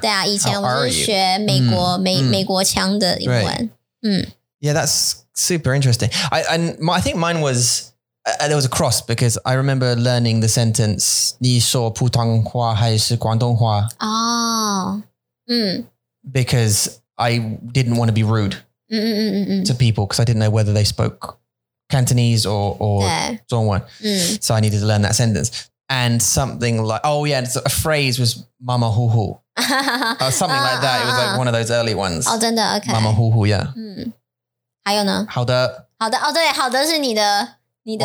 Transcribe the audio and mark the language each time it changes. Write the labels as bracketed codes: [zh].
[zh] 对啊，以前我是学美国腔的英文。嗯。 [en] Yeah, that's super interesting. I think mine was there was a cross because I remember learning the sentence [zh] 你说普通话还是广东话? [en] Oh. Because I didn't want to be rude to people because I didn't know whether they spoke Cantonese or 中文. So I needed to learn that sentence. And something like, oh yeah, it's a phrase was mama hu hu. Something like that. It was like one of those early ones. Oh, [zh] 真的, [en] okay. Mama hu hu, yeah. [zh] 还有呢? 好的. 好的, oh, 对, 好的是你的, 你的,